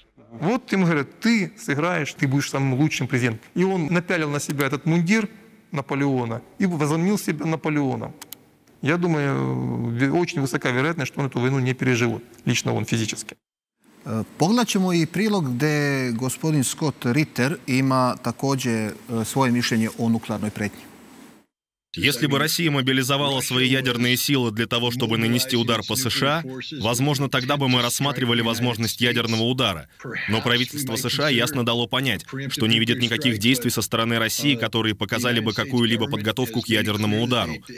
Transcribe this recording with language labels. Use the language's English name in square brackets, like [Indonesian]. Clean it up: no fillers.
[Russian] Вот ему говорят, ты сыграешь, ты будешь самым лучшим президентом. И он напялил на себя этот мундир Наполеона и возомнил себя Наполеоном. Я думаю, очень высока вероятность, что он эту войну не переживет, лично он физически. [Serbian] Pogledaćemo i prilog gde gospodin Scott Ritter ima takođe svoje mišljenje o nuklearnoj pretnji. [Russian] Если бы Россия мобилизовала свои ядерные силы для того, чтобы нанести удар по США, возможно, тогда бы мы рассматривали возможность ядерного удара. Но правительство США ясно дало понять, что не видит никаких действий со стороны России, которые показали бы какую-либо подготовку к ядерному удару.